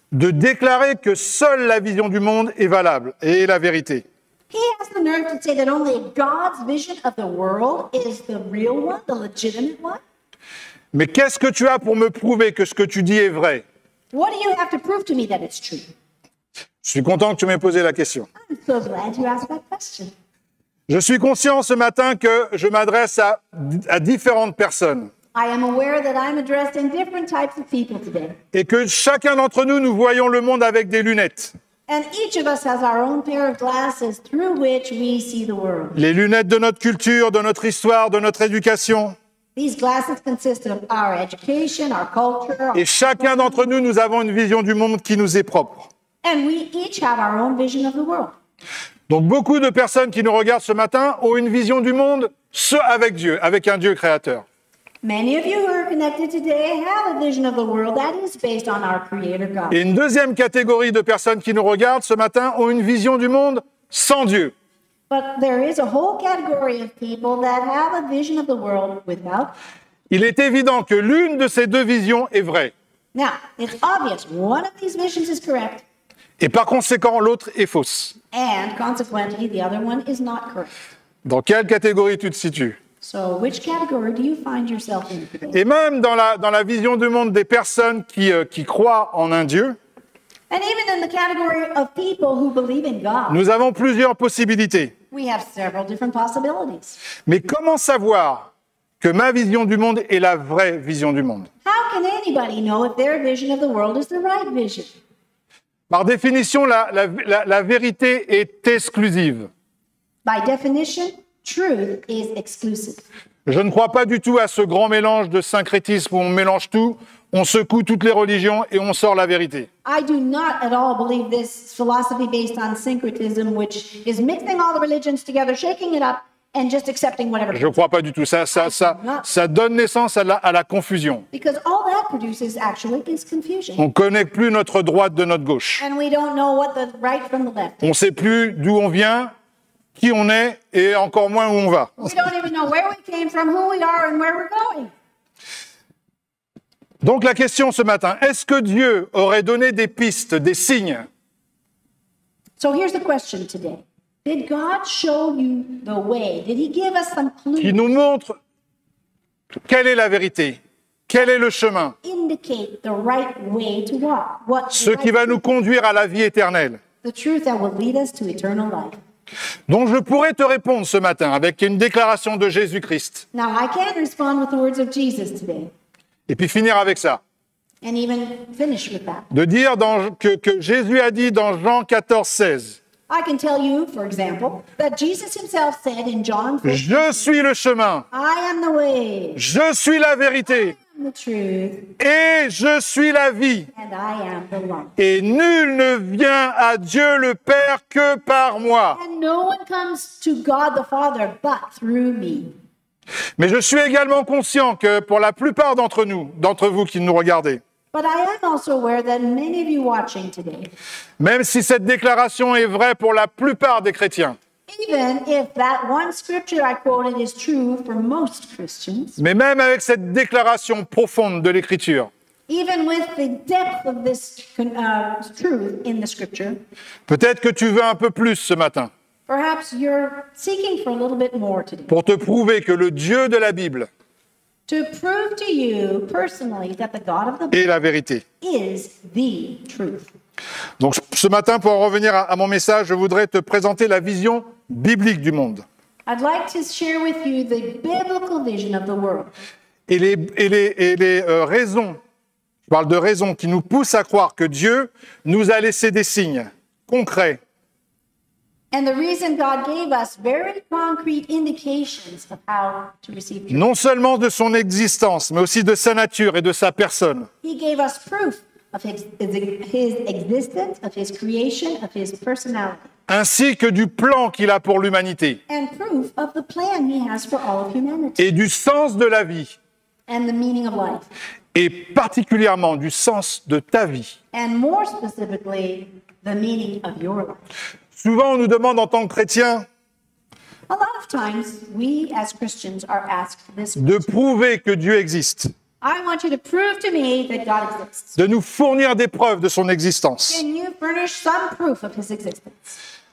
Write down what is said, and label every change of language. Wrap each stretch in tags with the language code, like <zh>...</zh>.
<fr>De déclarer que seule la vision du monde est valable et est la vérité.</fr> <en>He has the nerve to say that only God's vision of the world is the real one, the legitimate one.</en> <fr>Mais qu'est-ce que tu as pour me prouver que ce que tu dis est vrai?</fr> <en>What do you have to prove to me that it's true?</en> <fr>Je suis content que tu m'aies posé la question.</fr> <en>I'm so glad you asked that question.</en> <fr>Je suis conscient ce matin que je m'adresse à différentes personnes.</fr> <en>I am aware that I'm addressing different types of people today.</en> <fr>Et que chacun d'entre nous, nous voyons le monde avec des lunettes.</fr> <en>And each of us has our own pair of glasses through which we see the world.</en> <fr>Les lunettes de notre culture, de notre histoire, de notre éducation.</fr> <en>These glasses consist of our education, our culture.</en> <fr>Et chacun d'entre nous, nous avons une vision du monde qui nous est propre.</fr> <en>And we each have our own vision of the world.</en> <fr>Donc beaucoup de personnes qui nous regardent ce matin ont une vision du monde avec Dieu, avec un Dieu créateur.</fr> <en>Many of you who are connected today have a vision of the world that is based on our Creator God.</en> <fr>Et une deuxième catégorie de personnes qui nous regardent ce matin ont une vision du monde sans Dieu.</fr> <en>But there is a whole category of people that have a vision of the world without.</en> <fr>Il est évident que l'une de ces deux visions est vraie.</fr> <en>Now, it's obvious one of these visions is correct.</en> <fr>Et par conséquent, l'autre est fausse.</fr> <en>And consequently, the other one is not correct.</en> <fr>Dans quelle catégorie tu te situes?</fr> <en>So, which category do you find yourself in?</en> <fr>Et même dans la vision du monde des personnes qui croient en un Dieu,</fr> <en>and even in the category of people who believe in God,</en> <fr>nous avons plusieurs possibilités.</fr> <en>We have several different possibilities.</en> <fr>Mais comment savoir que ma vision du monde est la vraie vision du monde?</fr> <en>How can anybody know if their vision of the world is the right vision?</en> <fr>Par définition, la vérité est exclusive.</fr> <en>By definition, truth is exclusive.</en> <fr>Je ne crois pas du tout à ce grand mélange de syncrétisme où on mélange tout, on secoue toutes les religions et on sort la vérité.</fr> <en>I do not at all believe this philosophy based on syncretism, which is mixing all the religions together, shaking it up, and just accepting whatever.</en> <fr>Je ne crois pas du tout ça donne naissance à la confusion.</fr> <en>Because all that produces actually is confusion.</en> <fr>On ne connaît plus notre droite de notre gauche.</fr> <en>And we don't know what the right from the left.</en> <fr>On ne sait plus d'où on vient, qui on est et encore moins où on va.</fr> <en>We don't even know where we came from, who we are, and where we're going.</en> <fr>Donc la question ce matin, est-ce que Dieu aurait donné des pistes, des signes?</fr> <en>So here's the question today. Did God show you the way? Did he give us some clues?</en> <fr>Il nous montre quelle est la vérité, quel est le chemin.</fr> <en>Indicate the right way to walk. What</en> <fr>ce qui va nous conduire à la vie éternelle.</fr> <en>The truth that will lead us to eternal life.</en> <fr>Donc je pourrais te répondre ce matin avec une déclaration de Jésus-Christ.</fr> <en>Now I can respond with the words of Jesus today.</en> <fr>Et puis finir avec ça.</fr> <en>And even finish with that.</en> <fr>De dire que Jésus a dit dans Jean 14, 16.</fr> <en>I can tell you, for example, that Jesus himself said in John 14.</en> <fr>Je suis le chemin.</fr> <en>I am the way.</en> <fr>Je suis la vérité.</fr> <en>I am the truth.</en> <fr>Et je suis la vie.</fr> <en>And I am the life.</en> <fr>Et nul ne vient à Dieu le Père que par moi.</fr> <en>And no one comes to God the Father but through me.</en> <fr>Mais je suis également conscient que pour la plupart d'entre vous qui nous regardez,</fr> <en>today,</en> <fr>même si cette déclaration est vraie pour la plupart des chrétiens, mais même avec cette déclaration profonde de l'Écriture, peut-être que tu veux un peu plus ce matin.</fr> <en>Perhaps you're seeking for a little bit more today.</en> <fr>Pour te prouver que le Dieu de la Bible</fr> <en>to prove to you personally that the God of the Bible</en> <fr>est la vérité.</fr> <en>Is the truth.</en> <fr>Donc ce matin, pour en revenir à mon message, je voudrais te présenter la vision biblique du monde.</fr> <en>I'd like to share with you the biblical vision of the world.</en> <fr>Et les raisons, je parle de raisons qui nous poussent à croire que Dieu nous a laissé des signes concrets.</fr> <en>And the reason God gave us very concrete indications of how to receive truth.</en> <fr>Non seulement de son existence, mais aussi de sa nature et de sa personne.</fr> <en>He gave us proof of his existence, of his creation, of his personality.</en> <fr>Ainsi que du plan qu'il a pour l'humanité.</fr> <en>And proof of the plan he has for all of humanity.</en> <fr>Et du sens de la vie.</fr> <en>And the meaning of life.</en> <fr>Et particulièrement du sens de ta vie.</fr> <en>And more specifically, the meaning of your life.</en> <fr>Souvent, on nous demande en tant que chrétiens</fr> <en>a lot of times, we, as Christians, are asked this</en> <fr>de prouver que Dieu existe.</fr> <en>I want you to prove to me that God exists.</en> <fr>De nous fournir des preuves de son existence.</fr> <en>Can you furnish some proof of his existence?</en>